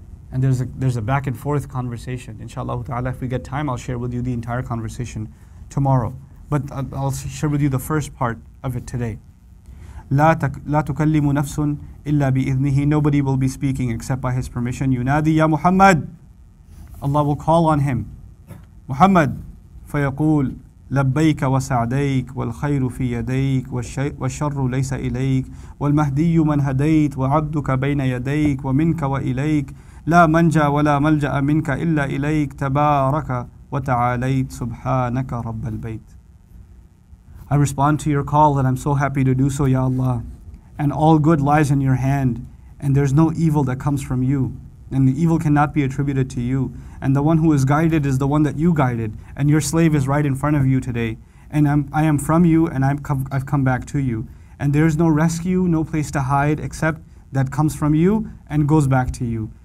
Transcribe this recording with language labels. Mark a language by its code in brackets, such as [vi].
[en] And there's a back and forth conversation. Inshallah ta'ala, if we get time, I'll share with you the entire conversation tomorrow. But I'll share with you the first part of it today. [ar] لا تكلم نفس إلا بإذنه. [en] Nobody will be speaking except by his permission. [ar] ينادي يا محمد. [en] Allah will call on him. [ar] محمد فيقول لبيك وسعديك والخير في يديك والشر ليس إليك والمهدي من هديت وعبدك بين يديك ومنك وإليك لا منجا ولا ملجأ منك إلا إليك تبارك وتعاليت سبحانك رب البيت. [en] I respond to your call and I'm so happy to do so, Ya Allah. And all good lies in your hand, and there's no evil that comes from you, and the evil cannot be attributed to you. And the one who is guided is the one that you guided. And your slave is right in front of you today. And I am from you, and I've come back to you. And there is no rescue, no place to hide, except that comes from you and goes back to you.